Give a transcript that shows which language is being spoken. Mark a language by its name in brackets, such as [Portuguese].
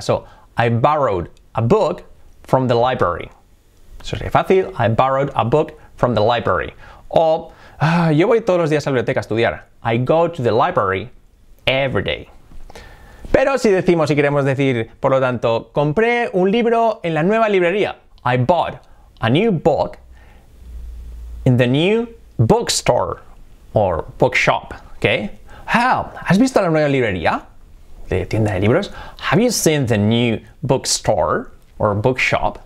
[English] So, I borrowed a book from the library. [Spanish] Eso sería fácil. [English] I borrowed a book from the library. [Spanish] O, yo voy todos los días a la biblioteca a estudiar. [English] I go to the library every day. [Spanish] Pero si decimos, si queremos decir, por lo tanto, compré un libro en la nueva librería. [English] I bought a new book in the new bookstore or bookshop, okay? [Spanish] ¿Has visto la nueva librería de tienda de libros? [English] Have you seen the new bookstore or bookshop?